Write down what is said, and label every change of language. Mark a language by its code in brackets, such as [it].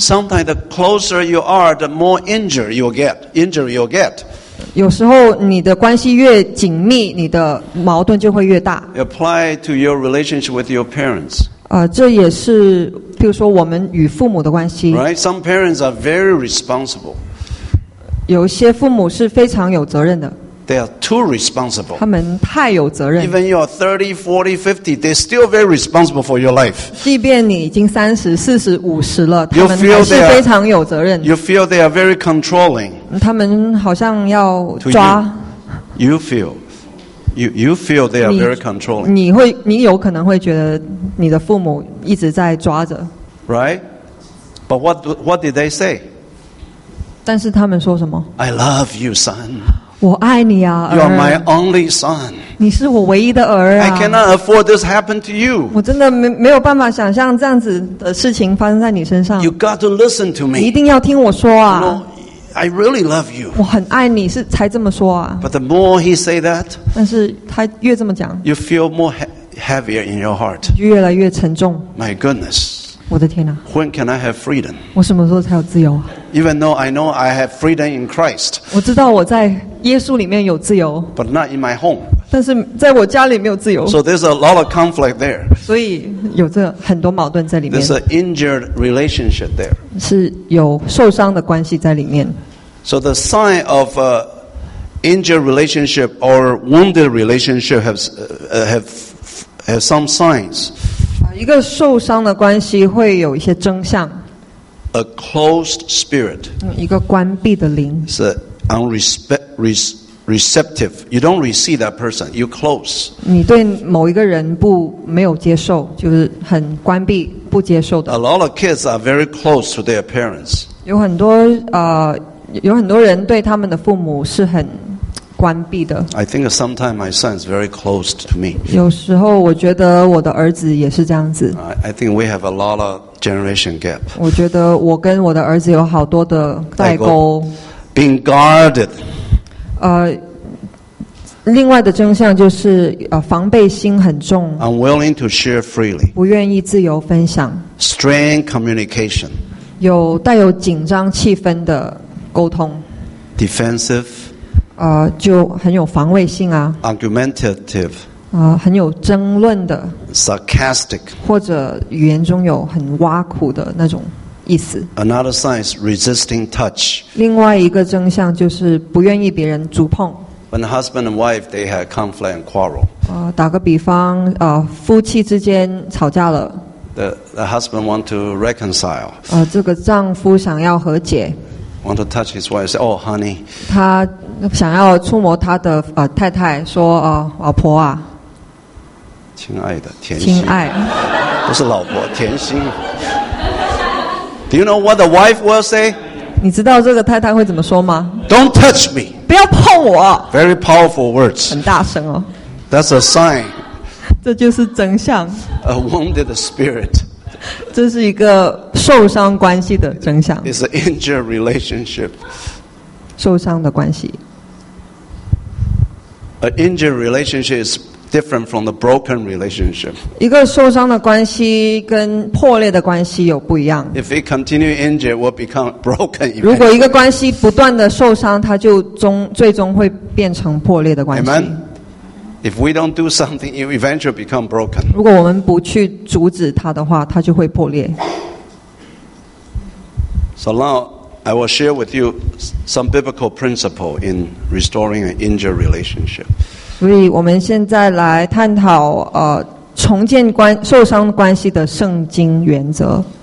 [en] Sometimes the closer you are, the more injured you'll get. Injury you'll get. [zh] 有时候你的关系越紧密，你的矛盾就会越大。 [en] Apply to your relationship with your parents. [zh] 这也是。比如说我们与父母的关系 [en] right? Some parents are very responsible. [zh] 有些父母是非常有责任的 [en] They are too responsible. [zh] 他们太有责任。 [en] Even you are 30, 40, 50, they're still very responsible for your life. [zh] 即便你已经三十、四十、五十了，他们还是非常有责任。 [en] You feel they are very controlling. [zh] 他们好像要抓。 [en] You feel they are very controlling. [zh] 你有可能会觉得你的父母一直在抓着。 [en] Right? But what did they say? [zh] 但是他们说什么？ [en] I love you, son. [zh] 我爱你啊, [en] you are my only son. [zh] 你是我唯一的儿啊。 [en] I cannot afford this happen to you. [zh] 我真的没有办法想象这样子的事情发生在你身上。 [en] You got to listen to me. [zh] 你一定要听我说啊。 [en] You know, I really love you. [zh] 我很爱你是才这么说啊。 [en] But the more he say that, [zh] 但是他越这么讲, [en] you feel more heavier in your heart. [zh] 越来越沉重。 [en] My goodness. [zh] 我的天啊, [en] when can I have freedom? [zh] 我什么时候才有自由啊? [en] Even though I know I have freedom in Christ. [zh] 我知道我在耶稣里面有自由, [en] but not in my home. [zh] 但是在我家里没有自由。 [en] So there's a lot of conflict there. [zh] 所以有这很多矛盾在里面。 [en] There's an injured relationship there. [zh] 是有受伤的关系在里面。 [en] So the sign of an injured relationship or wounded relationship have some signs. [zh] 一个受伤的关系会有一些征象。 [en] A closed spirit. [zh] 一个关闭的灵。 [en] It's unreceptive. You don't receive that person. You close. [zh] 你对某一个人不没有接受，就是很关闭，不接受的。 [en] A lot of kids are very close to their parents. [zh] 有很多有很多人对他们的父母是很。关闭的。 [en] I think sometimes my son is very close to me. [zh] 有时候我觉得我的儿子也是这样子。 [en] I think we have a lot of generation gap. [zh] 我觉得我跟我的儿子有好多的代沟。 [en] Being guarded. [zh] 另外的真相就是防备心很重。 [en] Unwilling to share freely. [zh] 不愿意自由分享。 [en] Strained communication. [zh] 有带有紧张气氛的沟通。 [en] Defensive. [zh] 就很有防卫性啊。 [en] Argumentative。 [zh] 很有争论的。 [en] Sarcastic。 [zh] 或者语言中有很挖苦的那种意思。 [en] Another sign is resisting touch。 [zh] 另外一个征象就是不愿意别人触碰。 [en] When husband and wife they had conflict and quarrel。 [zh] 打个比方，夫妻之间吵架了。 [en] The husband want to reconcile。 [zh] 这个丈夫想要和解。 [en] Want to touch his wife? Say, "Oh, honey." [zh] 他想要触摸他的太太，说老婆啊，亲爱的甜心，亲爱，不是老婆，甜心。 [en] Do you know what the wife will say? [zh] 你知道这个太太会怎么说吗 [en] ？Don't touch me. [zh] 不要碰我。 [en] Very powerful words. [zh] 很大声哦。 [en] That's a sign. [zh] 这就是真相。 [en] A wounded spirit. [zh] 这是一个受伤关系的真相。 [en] It's an injured relationship. [zh] 受伤的关系。 [en] An injured relationship is different from the broken relationship. [zh] 一个受伤的关系跟破裂的关系有不一样。 [en] If it continues injured, it will become broken. [zh] 如果一个关系不断的受伤，它就最终会变成破裂的关系。 [en] Amen. If we don't do something, it eventually become broken. [zh] 如果我们不去阻止它的话，它就会破裂。 [en] So now I will share with you some biblical principle in restoring an injured relationship. [zh] 所以我们现在来探讨重建受伤关系的圣经原则。